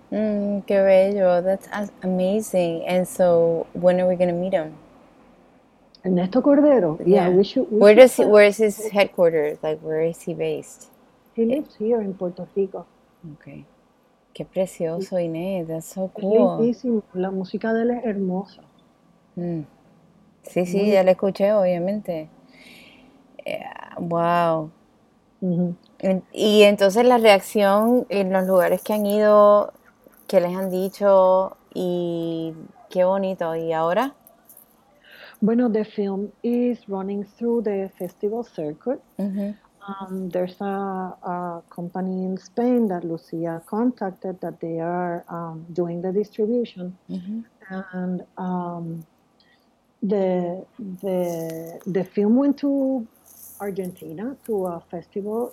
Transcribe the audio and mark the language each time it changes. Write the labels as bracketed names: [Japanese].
[Spanish] Qué bello. [English] That's amazing. And so when are we going to meet him? Ernesto Cordero. Yeah, yeah. Where is his headquarters? Like, where is he based? He lives here in Puerto Rico. Okay. [Spanish] Qué precioso, [English] Inés. That's so cool. [Spanish] Lindísimo. La música de él es hermosa. Sí, sí, ya la escuché, obviamente. Yeah. Wow. Y entonces la reacción en los lugares que han ido, qué les han dicho y qué bonito. ¿Y ahora? [English] Bueno, the film is running through the festival circuit. There's a company in Spain that Lucia contacted that they are doing the distribution. And the film went to Argentina to a festival.